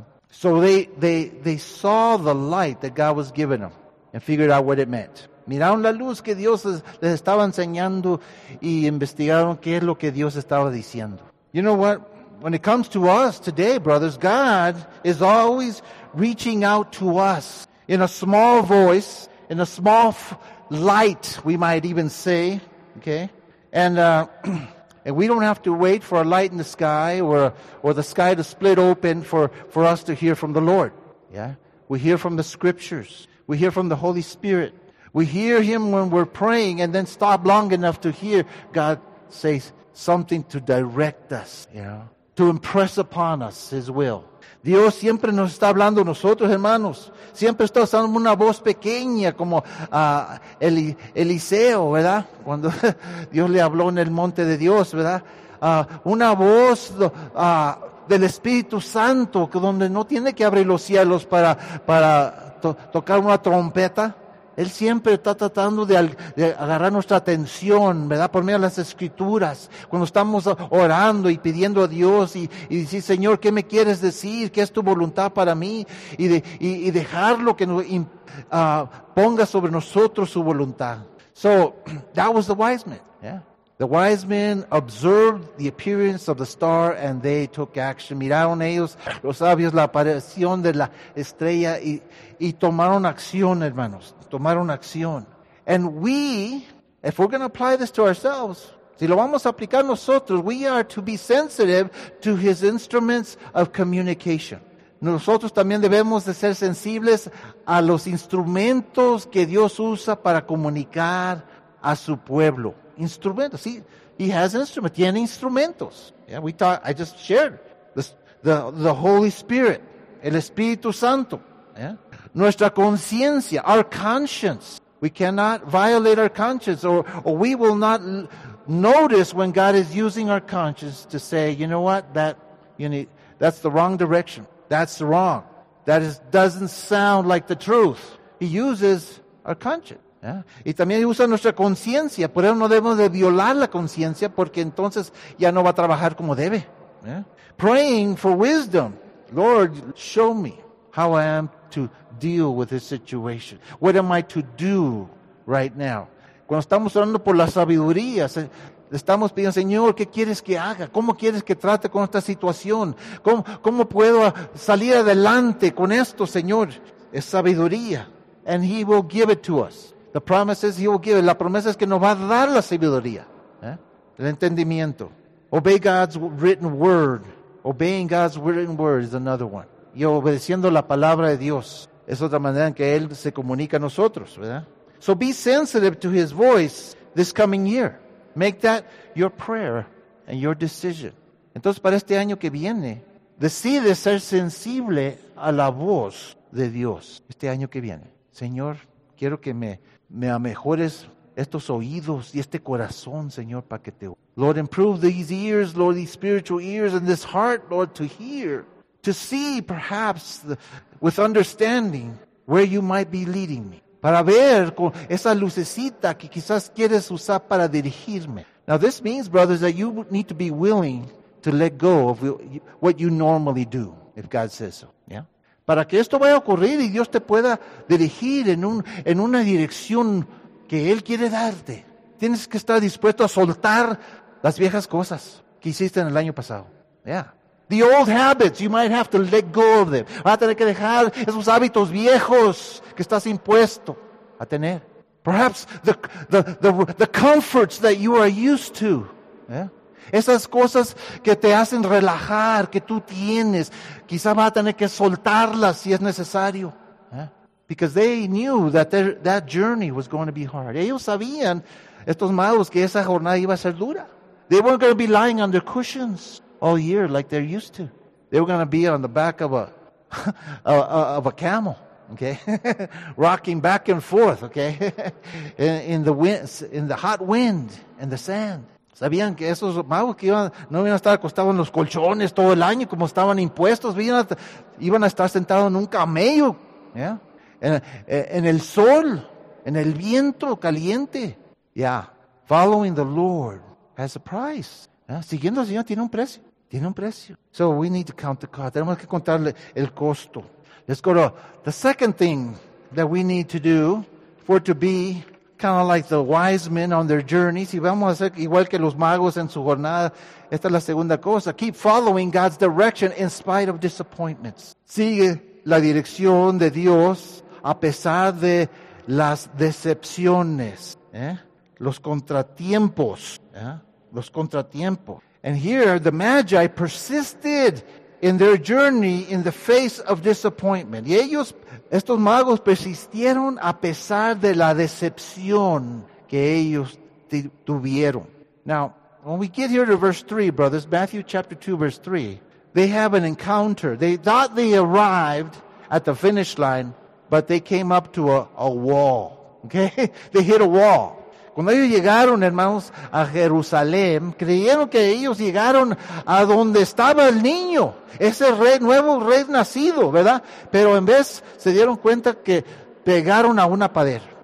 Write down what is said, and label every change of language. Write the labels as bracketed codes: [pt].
[en] So they saw the light that God was giving them. And figured out what it meant. [es] Miraron la luz que Dios les estaba enseñando y investigaron qué es lo que Dios estaba diciendo. [en] You know what? When it comes to us today, brothers, God is always reaching out to us in a small voice, in a small light, we might even say, okay? And we don't have to wait for a light in the sky or the sky to split open for us to hear from the Lord, yeah? We hear from the scriptures. We hear from the Holy Spirit. We hear Him when we're praying and then stop long enough to hear God say something to direct us, you know, to impress upon us His will. [es] Dios siempre nos está hablando a nosotros, hermanos. Siempre está usando una voz pequeña como Eliseo, ¿verdad? Cuando Dios le habló en el monte de Dios, ¿verdad? Una voz del Espíritu Santo, donde no tiene que abrir los cielos para tocar una trompeta, Él siempre está tratando de agarrar nuestra atención, ¿verdad? Por medio de las Escrituras, cuando estamos orando y pidiendo a Dios y decir, Señor, ¿qué me quieres decir? ¿Qué es tu voluntad para mí? Y dejarlo que ponga sobre nosotros su voluntad. [en] So, that was the wise men. Yeah. The wise men observed the appearance of the star and they took action. [es] Miraron ellos, los sabios, la aparición de la estrella y tomaron acción, hermanos. Tomaron acción. [en] And we, if we're going to apply this to ourselves, [es] si lo vamos a aplicar nosotros, [en] we are to be sensitive to his instruments of communication. [es] Nosotros también debemos de ser sensibles a los instrumentos que Dios usa para comunicar a su pueblo. Instrumentos, sí. [en] He has instruments. [es] Tiene instrumentos. [en] Yeah, I just shared the Holy Spirit, [es] el Espíritu Santo. [en] Yeah. [es] Nuestra conciencia, [en] our conscience. We cannot violate our conscience or we will not notice when God is using our conscience to say, you know what, that's the wrong direction. That's wrong. That is doesn't sound like the truth. He uses our conscience. [es] Yeah. Y también usa nuestra conciencia, por eso no debemos de violar la conciencia porque entonces ya no va a trabajar como debe. [en] Yeah. Praying for wisdom, Lord, show me how I am to deal with this situation. What am I to do right now? [es] Cuando estamos orando por la sabiduría, estamos pidiendo, Señor, ¿qué quieres que haga? ¿Cómo quieres que trate con esta situación? ¿Cómo puedo salir adelante con esto, Señor? Es sabiduría. [en] And he will give it to us. The promise is he will give it. [es] La promesa es que nos va a dar la sabiduría. ¿Eh? El entendimiento. [en] Obey God's written word. Obeying God's written word is another one. [es] Y obedeciendo la palabra de Dios. Es otra manera en que él se comunica a nosotros. ¿Verdad? [en] So be sensitive to his voice this coming year. Make that your prayer and your decision. [es] Entonces para este año que viene, decide ser sensible a la voz de Dios. Este año que viene. Señor, quiero que me amejores estos oídos y este corazón, Señor, para que te oiga. [en] Lord, improve these ears, Lord, these spiritual ears, and this heart, Lord, to hear, to see, perhaps, with understanding, where you might be leading me. [es] Para ver con esa lucecita que quizás quieres usar para dirigirme. [en] Now, this means, brothers, that you need to be willing to let go of what you normally do, if God says so. Yeah. [es] Para que esto vaya a ocurrir y Dios te pueda dirigir en una dirección que Él quiere darte, tienes que estar dispuesto a soltar las viejas cosas que hiciste en el año pasado. [en] Yeah. The old habits, you might have to let go of them. [es] Vas a tener que dejar esos hábitos viejos que estás impuesto a tener. [en] Perhaps the comforts that you are used to. Yeah. [es] Esas cosas que te hacen relajar, que tú tienes, quizá va a tener que soltarlas si es necesario. ¿Eh? [en] Because they knew that that journey was going to be hard. [es] Ellos sabían, estos magos, que esa jornada iba a ser dura. [en] They weren't going to be lying on their cushions all year like they're used to. They were going to be on the back of a camel, okay, rocking back and forth, okay, in the hot wind, in the sand. [es] Sabían que esos magos que no iban a estar acostados en los colchones todo el año como estaban impuestos, iban a estar sentados en un camello, yeah, en el sol, en el viento caliente. [en] Yeah, following the Lord has a price. Yeah. [es] Siguiendo al Señor tiene un precio. [en] So we need to count the cost. [es] Tenemos que contarle el costo. [en] Let's go to the second thing that we need to do for to be kind of like the wise men on their journey. [es] Si vamos a hacer igual que los magos en su jornada, esta es la segunda cosa. [en] Keep following God's direction in spite of disappointments. [es] Sigue la dirección de Dios a pesar de las decepciones, ¿eh? Los contratiempos, ¿eh? Los contratiempos. [en] And here the Magi persisted in their journey in the face of disappointment. [es] Y ellos, estos magos, persistieron a pesar de la decepción que ellos tuvieron. [en] Now, when we get here to verse 3, brothers, Matthew chapter 2, verse 3, they have an encounter. They thought they arrived at the finish line, but they came up to a wall. Okay? They hit a wall. [es] Cuando ellos llegaron, hermanos, a Jerusalén, creyeron que ellos llegaron a donde estaba el niño, ese rey, nuevo rey nacido, ¿verdad? Pero en vez se dieron cuenta que pegaron a una pared.